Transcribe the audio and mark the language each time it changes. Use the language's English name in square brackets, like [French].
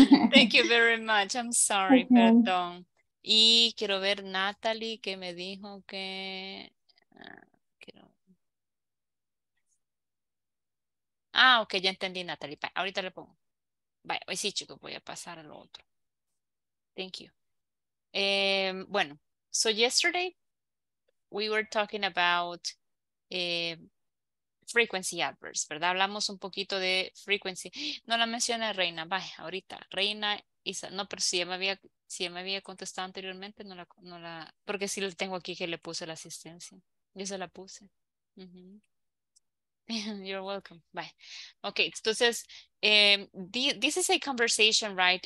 [English] Thank you very much. I'm sorry, okay. Perdón. [Spanish] Y quiero ver Natalie que me dijo que... Ah, ok, ya entendí, Natalie. Bye. Ahorita le pongo. Bye. Hoy sí, chicos, voy a pasar a lo otro. [English] Thank you. Bueno, so yesterday we were talking about frequency adverbs, ¿verdad? [Spanish] Hablamos un poquito de frequency. No la mencioné, Reina. Bye, ahorita. Reina, Isa. No, pero si ya me había contestado anteriormente, no la... Porque sí tengo aquí que le puse la asistencia. Yo se la puse. Uh-huh. [English] You're welcome. [Spanish] Bye. [English] Okay, entonces, this is a conversation, right?